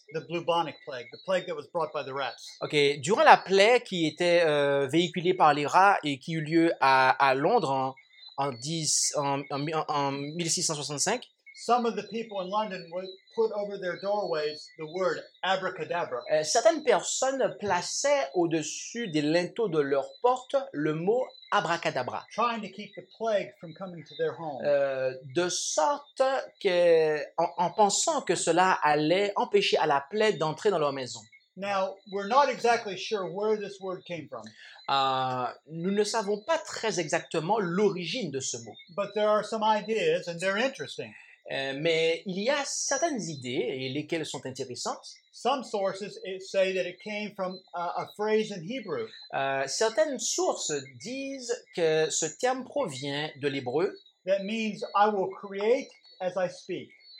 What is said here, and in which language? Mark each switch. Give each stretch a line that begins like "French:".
English: The bubonic plague, the plague that was brought by the rats.
French: Okay, durant la plaie qui était véhiculée par les rats et qui eut lieu à Londres en 1665.
English: Some of the people in London would put over their doorways the word abracadabra.
French: Certaines personnes plaçaient au-dessus des linteaux de leurs portes le mot abracadabra.
English: Trying to keep the plague from coming to their home.
French: De sorte que, en pensant que cela allait empêcher à la plaie d'entrer dans leur maison.
English: Now, we're not exactly sure where this word came from.
French: Nous ne savons pas très exactement l'origine de ce mot.
English: But there are some ideas and they're interesting.
French: Mais il y a certaines idées et lesquelles sont intéressantes.
English: Some sources say that it came from a phrase in Hebrew.
French: Certaines sources disent que ce terme provient de l'hébreu.
English: That means I will create as I speak.